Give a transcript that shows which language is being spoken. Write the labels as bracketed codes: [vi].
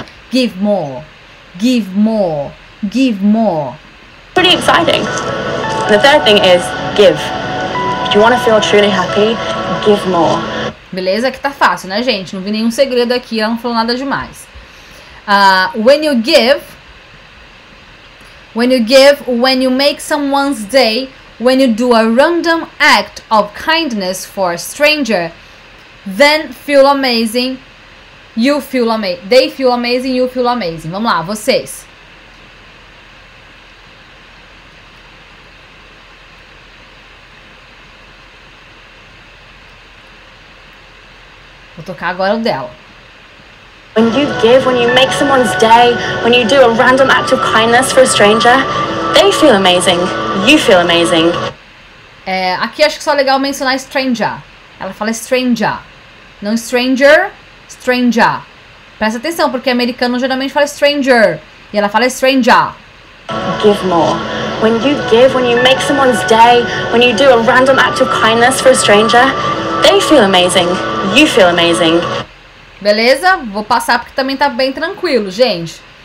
[en] Give more. Give more. Give more. Pretty exciting. The third thing is give. If you wanna feel truly happy, give more. [pt] Beleza? Que tá fácil, né, gente? Não vi nenhum segredo aqui, ela não falou nada demais. [en] When you give, when you make someone's day, when you do a random act of kindness for a stranger, then feel amazing, you feel amazing, they feel amazing, you feel amazing. [pt] Vamos lá, vocês. Vou tocar agora o dela. [en] When you give, when you make someone's day, when you do a random act of kindness for a stranger, they feel amazing, you feel amazing. [pt] É, aqui acho que só é legal mencionar stranger. Ela fala stranger, não stranger, stranger. Presta atenção, porque americano geralmente fala stranger, e ela fala stranger. [en] Give more. When you give, when you make someone's day, when you do a random act of kindness for a stranger, they feel amazing, you feel amazing. [pt] Beleza? Vou passar porque também tá bem tranquilo, gente.